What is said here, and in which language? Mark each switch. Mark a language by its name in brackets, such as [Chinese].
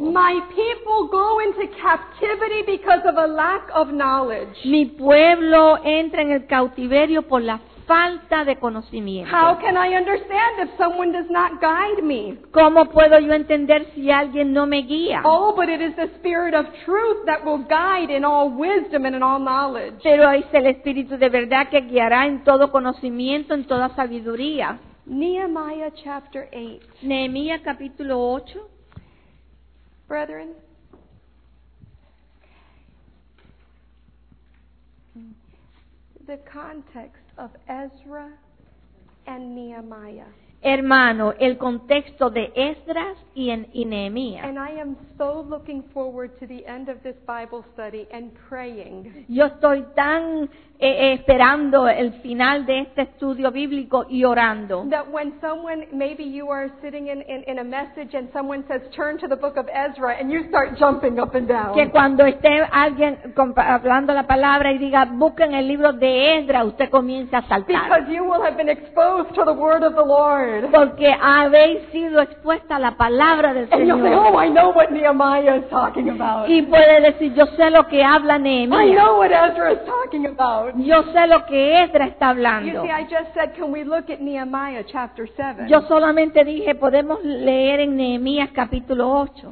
[English] My people go into captivity because of a lack of knowledge. [Spanish] Mi pueblo entra en el cautiverio por la falta de conocimiento. [English] How can I understand if someone does not guide me? [Spanish] ¿Cómo puedo yo entender si alguien no me guía? [English] Oh, but it is the spirit of truth that will guide in all wisdom and in all knowledge. [Spanish] Pero es el espíritu de verdad que guiará en todo conocimiento, en toda sabiduría. [English] Nehemiah chapter 8. [Spanish] Nehemiah capítulo 8. [English] Brethren, the context of Ezra and Nehemiah. [Spanish] Hermano, el contexto de Esdras y Nehemías. [English] And I am so looking forward to the end of this Bible study and praying. [Spanish] Yo estoy tan esperando el final de este estudio bíblico y orando. [English] That when someone, maybe you are sitting in a message and someone says, turn to the book of Ezra, and you start jumping up and down. [Spanish] Que cuando esté alguien hablando la palabra y diga, busquen el libro de Ezra, usted comience a saltar. [English] Because you will have been exposed to the word of the Lord. [Spanish] Porque habéis sido expuesta a la palabra del Señor. [English] And you'll say, oh, I know what Nehemiah is talking about. [Spanish] Y puede decir, yo sé lo que habla Nehemiah. [English] I know what Ezra is talking about. [Spanish] Yo sé lo que Ezra está hablando. [English] You see, I just said, can we look at Nehemiah chapter 7? [Spanish] Yo solamente dije, podemos leer en Nehemías capítulo 8.